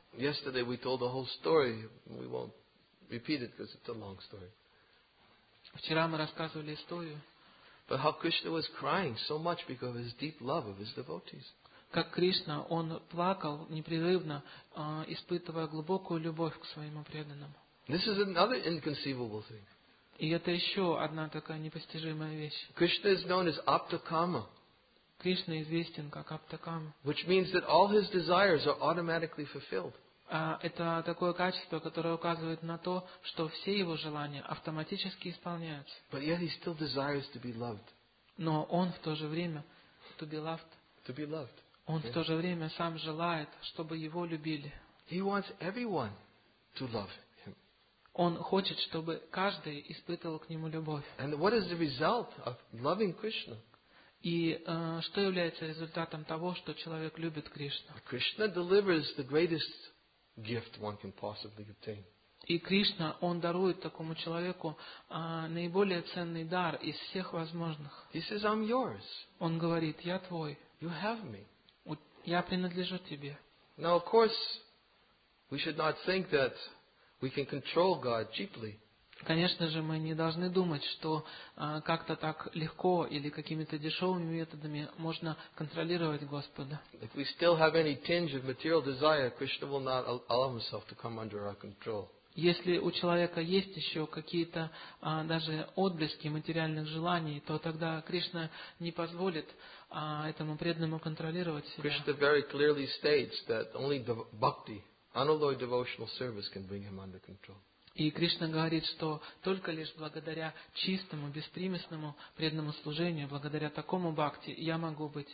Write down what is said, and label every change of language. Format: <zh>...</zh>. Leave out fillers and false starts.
<en>Yesterday we told the whole story. We won't repeat it because it's a long story.</en> <ru>Вчера мы рассказывали историю.</ru> <en>But how Krishna was crying so much because of his deep love of his devotees.</en> <ru>Как Кришна, он плакал непрерывно, испытывая глубокую любовь к своему преданному.</ru> <en>This is another inconceivable thing.</en> <ru>И это еще одна такая непостижимая вещь.</ru> <en>Krishna is known as Aptakama.</en> <ru>Кришна известен как Аптакама.</ru> <en>Which means that all his desires are automatically fulfilled.</en> <ru>Это такое качество, которое указывает на то, что все его желания автоматически исполняются.</ru> <en>But yet he still desires to be loved.</en> <ru>Но он в то же время</ru> <en>to be loved. To be loved.</en> <ru>Он в то же время сам желает, чтобы его любили.</ru> <en>He wants everyone to love him.</en> <ru>Он хочет, чтобы каждый испытывал к нему любовь.</ru> <en>And what is the result of loving Krishna?</en> <ru>И что является результатом того, что человек любит Кришну?</ru> <en>Krishna delivers the greatest gift one can possibly obtain.</en> <ru>И Кришна, он дарует такому человеку наиболее ценный дар из всех возможных.</ru> <en>He says, I'm yours.</en> <ru>Он говорит, я твой.</ru> <en>You have me.</en> <ru>Я принадлежу тебе.</ru> <en>Now, of course, we should not think that we can control God cheaply.</en> <ru>Конечно же, мы не должны думать, что как-то так легко или какими-то дешевыми методами можно контролировать Господа.</ru> <en>If we still have any tinge of material desire, Krishna will not allow himself to come under our control.</en> <ru>Если у человека есть еще какие-то даже отблески материальных желаний, то тогда Кришна не позволит этому преданному контролировать себя.</ru> <en>Krishna very clearly states that only the bhakti, unalloyed devotional service can bring him under control.</en> <ru>И Кришна говорит, что только лишь благодаря чистому, беспримесному преданному служению, благодаря такому бхакти, я могу</ru>